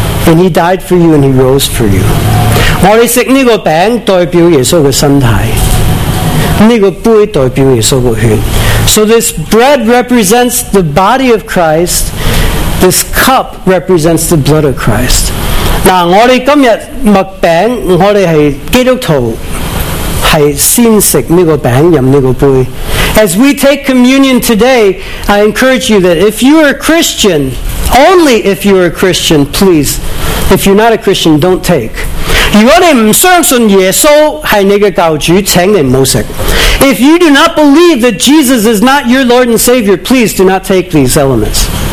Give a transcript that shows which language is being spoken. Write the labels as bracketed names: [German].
[English] And he died for you and he rose for you. [Chinese] 我们吃这个饼代表耶稣的身体。 [English] So this bread represents the body of Christ. This cup represents the blood of Christ. [Chinese] 我们今天默饼，我们是基督徒，是先吃这个饼，饮这个杯。 [English] As we take communion today, I encourage you that if you are a Christian, only if you are a Christian, please, if you're not a Christian, don't take. [Chinese] 如果你不相信耶稣是你的教主，请你不要吃。 [English] If you do not believe that Jesus is not your Lord and Savior, please do not take these elements.